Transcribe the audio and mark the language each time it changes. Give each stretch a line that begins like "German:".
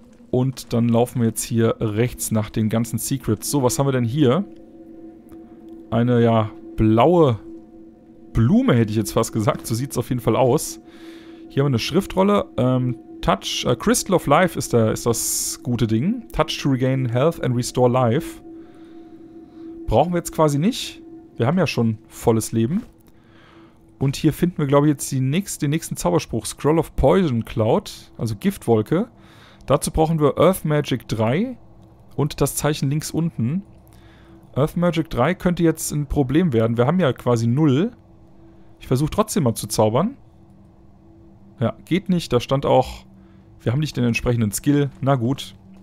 German: Und dann laufen wir jetzt hier rechts nach den ganzen Secrets. So, was haben wir denn hier? Eine, ja, blaue Blume, hätte ich jetzt fast gesagt. So sieht es auf jeden Fall aus. Hier haben wir eine Schriftrolle. Crystal of Life ist das gute Ding.
English: Touch to regain health and restore life.
German: Brauchen wir jetzt quasi nicht. Wir haben ja schon volles Leben. Und hier finden wir, glaube ich, jetzt den nächsten Zauberspruch. Scroll of Poison Cloud, also Giftwolke. Dazu brauchen wir Earth Magic 3 und das Zeichen links unten. Earth Magic 3 könnte jetzt ein Problem werden. Wir haben ja quasi 0. Ich versuche trotzdem mal zu zaubern. Ja, geht nicht. Da stand auch, wir haben nicht den entsprechenden Skill. Na gut.